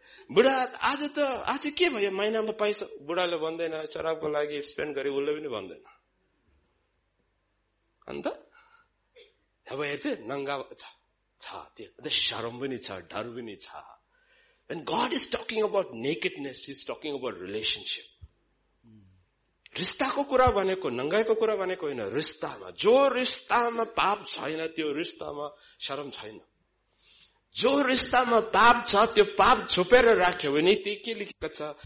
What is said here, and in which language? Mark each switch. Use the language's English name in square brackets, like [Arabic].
[Nepali] बुढा आज त आज के भयो महिनामा पैसा? बुढाले भन्दैन शराबको लागि स्पेन्ड गरे. उसले पनि भन्दैन. अन्त अब हेर्छ नङ्गा छ, त्यो शरम पनि छ, डर पनि छ. [English] When God is talking about nakedness, He is talking about relationship. [Nepali] रिस्ताको कुरा भनेको नङ्गाईको कुरा भनेको होइन, रिस्तामा. जो रिस्तामा पाप छैन त्यो रिस्तामा शरम छैन. जो रिस्तामा पाप छ त्यो पाप छुपेर राख्यो भने त्यही के लेखेको छ?